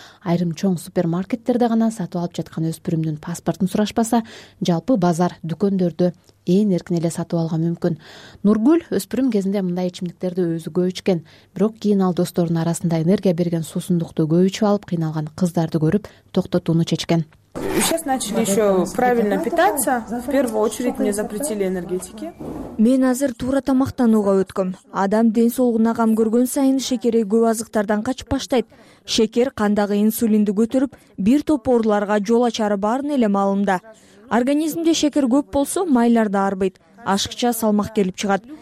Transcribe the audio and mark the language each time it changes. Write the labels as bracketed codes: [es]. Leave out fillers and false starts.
[ky] Айрым чоң супермаркеттерде гана сатып алып жаткан өспүрүмдүн паспортун сурашпаса, жалпы базар, дүкөндөрдө эң эркин эле сатып алууга мүмкүн. Нургүл өспүрүм кезинде мындай ичимдиктерди өзү көп ичкен, бирок кийин ал достордун арасында энергия берген суусундукту көп ичип алып кыйналган кыздарды көрүп токтотууну чечкен. [ru] Сейчас начали еще правильно питаться. В первую очередь мне запретили энергетики. [ky] Мен азыр туура тамактанууга өткөм. Адам ден соолугуна кам көргөн сайын шекери көп азыктардан качып баштайт. Шекер кандагы инсулинди көтөрүп, бир топ ооруларга жол ачары барын эле маалымда. Организмде шекер көп болсо, майлар да арбайт. Ашыкча салмак келип чыгат.